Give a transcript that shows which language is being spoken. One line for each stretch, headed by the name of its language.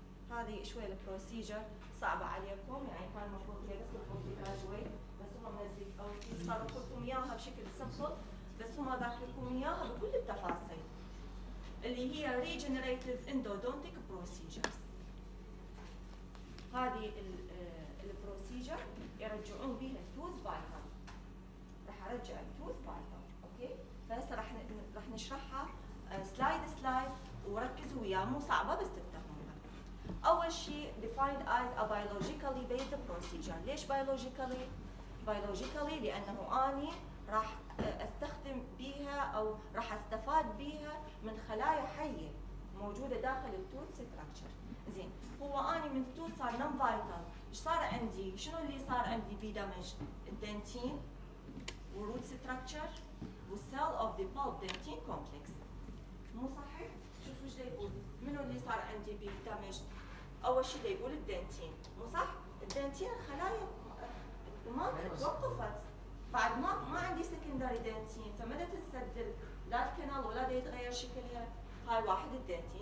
Arabic: هذه شوية البروسيجر صعبة عليكم يعني كان مفروض هي بس البروسيجر بس هم منزل أو صاروا لكم إياها بشكل سمبل بس هم ذاك لكم إياها بكل التفاصيل اللي هي ريجنريتيف إندودونتيك بروسيجرز. هذه البروسيجر يرجعون بها التوث فايتال راح أرجع التوث فايتال. أوكي فهسه راح نشرحها سلايد سلايد وركزوا وياه، مو صعبة بس تفهموها. أول شيء
English: defined as a biologically based procedure.
Arabic: ليش biologically؟ biologically لأنه أنا راح أستخدم بيها أو راح أستفاد بيها من خلايا حية موجودة داخل التوت ستراكتشر. زين، هو أنا من التوت صار نم فايتال، إيش صار عندي؟ شنو اللي صار عندي بيدمج الدنتين وروت ستراكتشر والسيل أوف ذا بولب دنتين كومبلكس؟ مو صحيح؟ شوف إيش يقول، منو اللي صار عندي بيدمج؟ أول شيء يقول الدنتين، مو صح؟ الدنتين خلايا ما توقفت بعد ما عندي سكندري دنتين، فمدى تتسدل لا الكنال ولا دا يتغير شكلها. هاي واحد الدنتين.